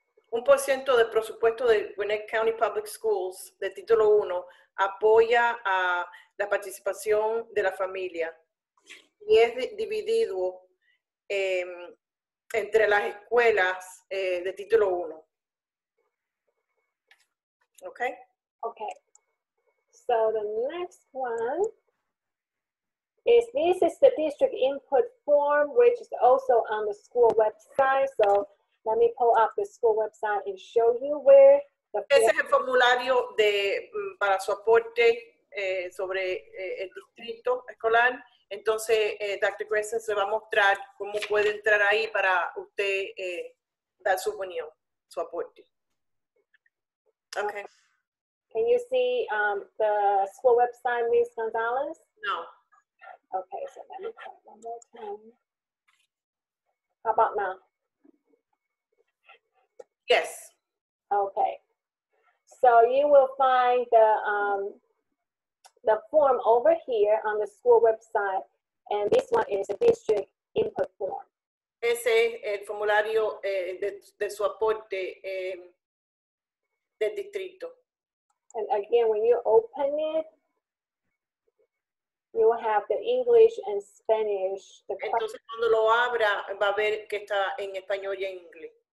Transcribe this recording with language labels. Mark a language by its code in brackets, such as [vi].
[es] Un 1% del presupuesto de Gwinnett County Public Schools de título 1 apoya a la participación de la familia y es dividido entre las escuelas de título 1. Okay? Okay. [en] So the next one is this is the district input form, which is also on the school website. So let me pull up the school website and show you where the form. [es] Ese es el formulario de para su aporte sobre el distrito escolar. Entonces, Dr. Gresson se va a mostrar cómo puede entrar ahí para usted dar su opinión, su aporte. Okay. [en] Can you see the school website, Ms. Gonzalez? No. Okay, so let me put one more time. How about now? Yes. Okay. So you will find the form over here on the school website, and this one is a district input form. [es] Ese es el formulario de su aporte del distrito. [en] And again, when you open it, you will have the English and Spanish. The [es] Entonces, cuando lo abra, va a ver que está en español y en inglés.